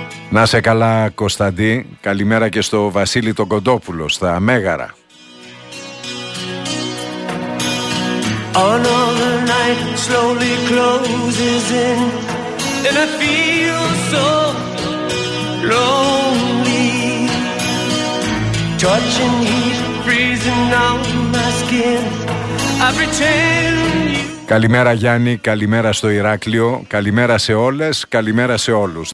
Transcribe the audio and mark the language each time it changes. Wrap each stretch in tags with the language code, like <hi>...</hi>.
<el>Να σε καλά, Κωνσταντή. Καλημέρα και στο Βασίλη τον Κοντόπουλο, στα Μέγαρα.</el> <en>Another night slowly closes in, and I feel so lonely. Touching heat, freezing on my skin. I pretend you...</en> <el>Καλημέρα Γιάννη, καλημέρα στο Ηράκλειο, καλημέρα σε όλες, καλημέρα σε όλους.</el>